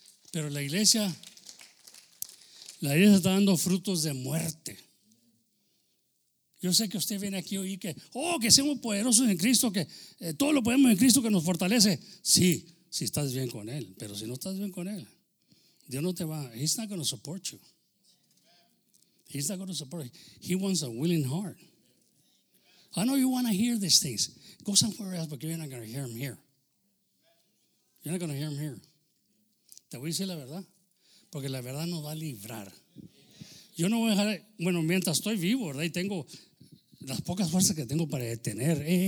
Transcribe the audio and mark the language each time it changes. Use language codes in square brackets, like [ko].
[es] Pero la iglesia está dando frutos de muerte. Yo sé que usted viene aquí hoy que, oh, que seamos poderosos en Cristo, que todo lo podemos en Cristo que nos fortalece. Sí, si estás bien con Él. Pero si no estás bien con Él, Dios no te va. [en] He's not going to support you. He's not going to support you. He wants a willing heart. I know you want to hear these things. Go somewhere else, but you're not going to hear them here. You're not going to hear them here. [es] Te voy a decir la verdad. Porque la verdad nos va a librar. Yo no voy a dejar, bueno, mientras estoy vivo, ¿verdad? Y tengo las pocas fuerzas que tengo para detener.